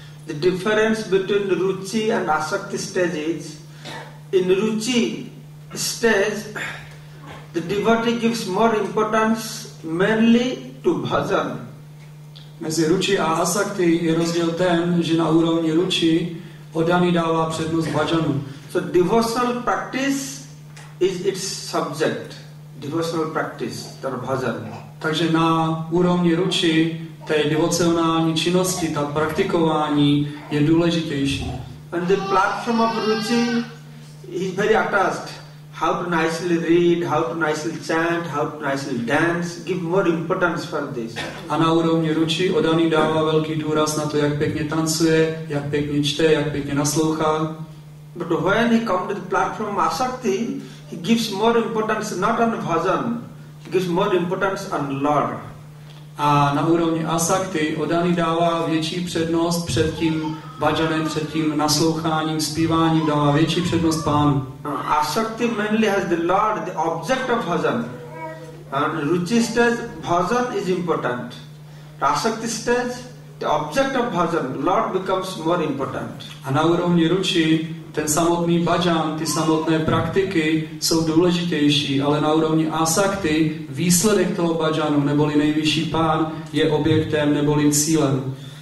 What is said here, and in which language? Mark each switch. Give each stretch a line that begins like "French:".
English: The difference between ruchi and asakti stages, in ruchi stage, the devotee gives more importance mainly to bhajan.
Czech: Mezi ruchi a asakti je rozdíl ten, že na úrovni ruchi odaný dává přednost bhajanu.
English: So devotional practice is its subject. Devotional practice, tar bhajan.
Czech: Takže na úrovni ruchi té devocionální činnosti, ta praktikování je důležitější.
English: And the platform of ruchi is very attached. How to nicely read, how to nicely chant, how to nicely dance, give more importance for this.
Czech: A na úrovni ruchi odaný dává velký důraz na to, jak pěkně tancuje, jak pěkně čte, jak pěkně naslouchá.
English: But when he comes to the platform asakti, he gives more importance not on bhajan, he gives more importance on Lord.
Czech: A na úrovni asakti odaný dává větší přednost před tím bhajanem, před tím nasloucháním, zpíváním, dává větší přednost pánu.
English: Asakti mainly has the Lord, the object of bhajan. And ruchi stage, bhajan is important. Asakti stage, the object of bhajan, Lord becomes more important.
Czech: A na úrovni ruchi, ten samotný bhajan, ty samotné praktiky jsou důležitější, ale na úrovni asakti, výsledek toho bhajanu, neboli nejvyšší pán, je objektem, neboli cílem.